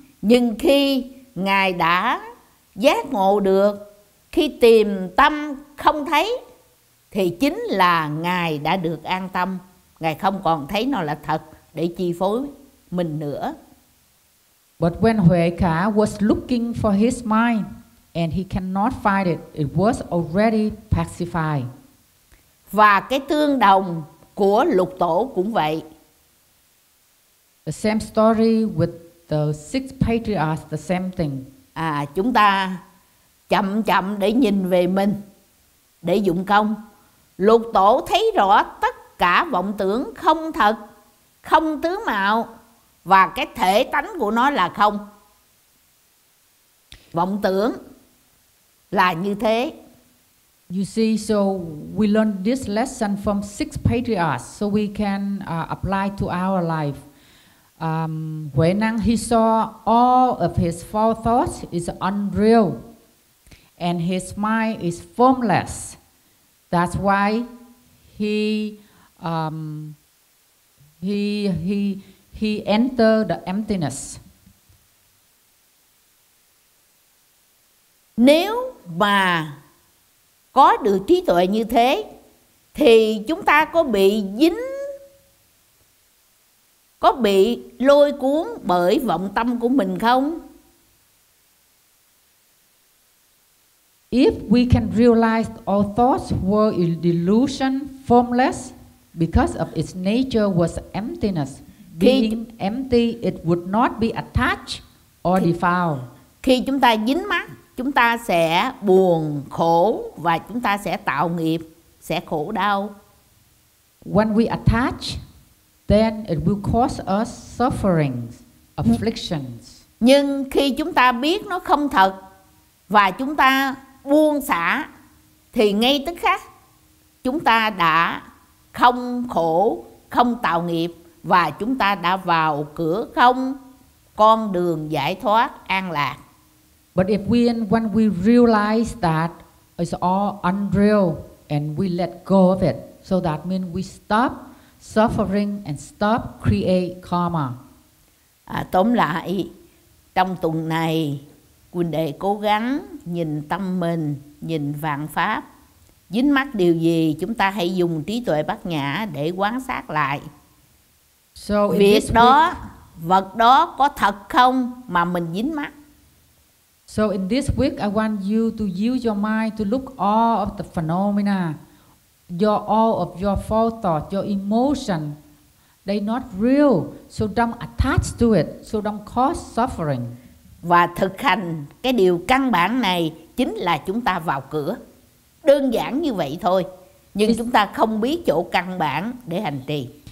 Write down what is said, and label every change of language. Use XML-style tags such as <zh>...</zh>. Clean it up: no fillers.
<vi>Nhưng khi ngài đã giác ngộ được, khi tìm tâm không thấy, thì chính là ngài đã được an tâm, ngài không còn thấy nó là thật để chi phối mình nữa.</vi> <en>But when Huệ Khả was looking for his mind and he cannot find it, it was already pacified.</en> <vi>Và cái tương đồng của lục tổ cũng vậy.</vi> <en>The same story with the six patriarchs, the same thing.</en> <vi>À, chúng ta chậm chậm để nhìn về mình, để dụng công. Lục tổ thấy rõ tất cả vọng tưởng không thật, không tướng mạo, và cái thể tánh của nó là không. Vọng tưởng là như thế.</vi> <en>You see, so we learned this lesson from six patriarchs, so we can apply to our life. Huệ Năng, he saw all of his four thoughts is unreal, and his mind is formless. That's why he entered the emptiness.</en> <vi>Nếu mà có được trí tuệ như thế thì chúng ta có bị dính, có bị lôi cuốn bởi vọng tâm của mình không?</vi> <en>If we can realize all thoughts were a delusion, formless, because of its nature was emptiness, being empty, it would not be attached or defiled.</en> <vi>Khi chúng ta dính mắc, chúng ta sẽ buồn, khổ và chúng ta sẽ tạo nghiệp, sẽ khổ đau.</vi> <en>When we attach, then it will cause us suffering, afflictions.</en> <vi>Nhưng khi chúng ta biết nó không thật và chúng ta buông xả, thì ngay tức khắc chúng ta đã không khổ, không tạo nghiệp và chúng ta đã vào cửa không, con đường giải thoát an lạc.</vi> <en>But if we, when we realize that it's all unreal and we let go of it, so that means we stop suffering and stop create karma.</en> <vi>Tóm lại, trong tuần này, Quỳnh Đệ cố gắng nhìn tâm mình, nhìn vạn pháp. Dính mắc điều gì, chúng ta hãy dùng trí tuệ Bát Nhã để quán sát lại.</vi> <en>So</en> <vi>việc đó, vật đó có thật không mà mình dính mắc?</vi> <en>So in this week, I want you to use your mind to look all of the phenomena, all of your four thoughts, your emotion. They not real, so don't attach to it, so don't cause suffering.</en> <vi>Và thực hành cái điều căn bản này chính là chúng ta vào cửa. Đơn giản như vậy thôi. Nhưng chúng ta không biết chỗ căn bản để hành trì.</vi>